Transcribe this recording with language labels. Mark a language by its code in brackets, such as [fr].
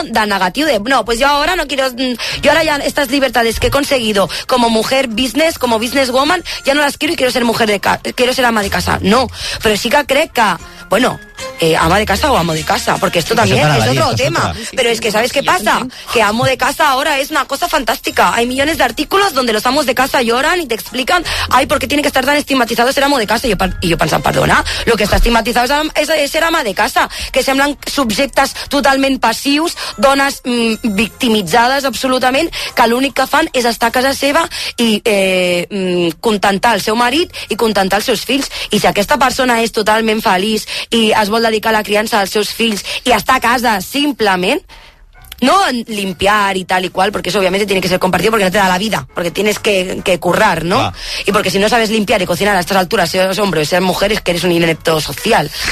[es] De negatiu, de no, pues yo ahora ya estas libertades que he conseguido como mujer business, como business woman, ya no las quiero y quiero ser ama de casa. No, pero sí que crec que, bueno, ama de casa o amo de casa, porque esto también es otro tema. Pero es que, ¿sabes qué pasa? Que amo de casa ahora es una cosa fantástica. Hay millones de artículos donde los amos de casa lloran y te explican, ay, ¿por qué tiene que estar tan estigmatizado ser amo de casa? [ca] Y yo pensaba, perdona, lo que está estigmatizado es ser ama de casa, que semblan subjectes totalment passius, dones victimitzades absolutament, que l'únic que fan és estar a casa seva i contentar el seu marit i contentar els seus fills. I si aquesta persona és totalment feliç i es vol dedicar a la criança dels seus fills i estar a casa simplement, no limpiar i tal i qual, perquè això òbviament tiene que ser compartido perquè no te da la vida, perquè tienes que currar, no? [es] I perquè si no sabes limpiar i cocinar a estas alturas, si eres hombre o si eres mujer, es que eres un inepto social.